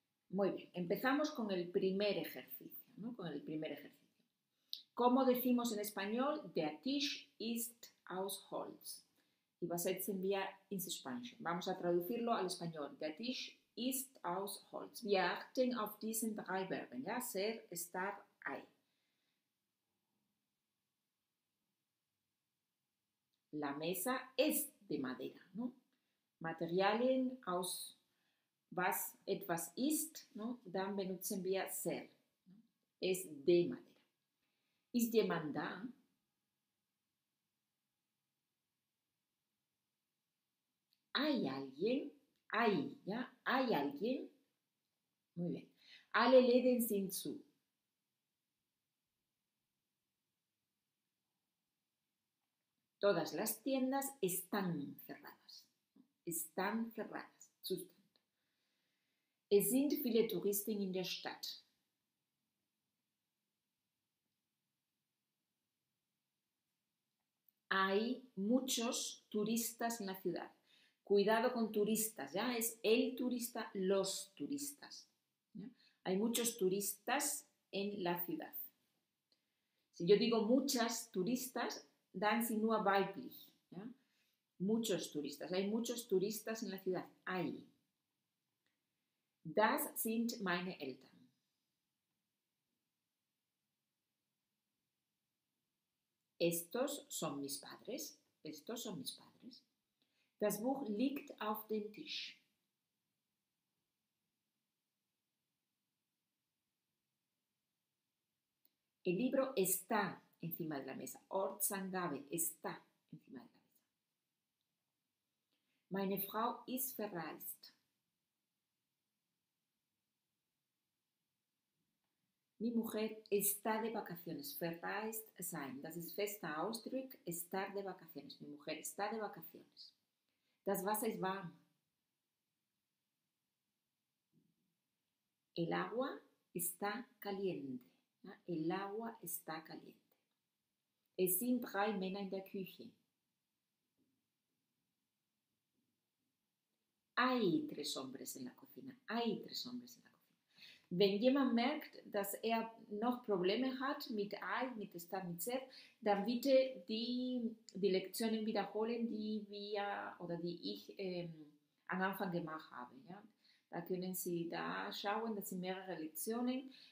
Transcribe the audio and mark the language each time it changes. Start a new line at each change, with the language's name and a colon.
Spanish: Muy bien, empezamos con el primer ejercicio, ¿no? Con el primer ejercicio. ¿Cómo decimos en español?
German: Der Tisch ist aus Holz.
Spanish: Y va a ser sin vía in Spanish. Vamos a traducirlo al español.
German: Der Tisch ist aus Holz. Wir achten auf diesen drei Verben.
Spanish: Ja? Ser, estar, ahí. La mesa es de madera. ¿No?
German: Materialien aus was etwas ist. ¿No? Dann benutzen wir ser. ¿No?
Spanish: Es de madera.
German: Ist jemand da?
Spanish: ¿Hay alguien? Hay, ¿ya? ¿Hay alguien? Muy bien.
German: Alle Läden sind zu.
Spanish: Todas las tiendas están cerradas. Están cerradas. Zustand.
German: Es sind viele Touristen in der Stadt.
Spanish: Hay muchos turistas en la ciudad. Cuidado con turistas, ¿ya? Es el turista, los turistas, ¿ya? Hay muchos turistas en la ciudad. Si yo digo muchas turistas,
German: dann sind nur weiblich,
Spanish: ¿ya? Muchos turistas, hay muchos turistas en la ciudad.
German: Hay. Das sind meine Eltern.
Spanish: Estos son mis padres. Estos son mis padres.
German: Das Buch liegt auf dem Tisch.
Spanish: El libro está encima de la mesa. Ortsangabe, está encima de la mesa.
German: Meine Frau ist verreist.
Spanish: Mi mujer está de vacaciones,
German: verreist sein, das ist fester Ausdruck,
Spanish: estar de vacaciones, mi mujer está de vacaciones.
German: Das Wasser ist warm.
Spanish: El agua está caliente, ¿no? El agua está caliente.
German: Es sind drei Männer in der Küche.
Spanish: Hay tres hombres en la cocina, hay tres hombres en la cocina.
German: Wenn jemand merkt, dass noch Probleme hat mit I, mit Star, mit Ser, dann bitte die Lektionen wiederholen, die ich am Anfang gemacht habe. Ja? Da können Sie da schauen, das sind mehrere Lektionen.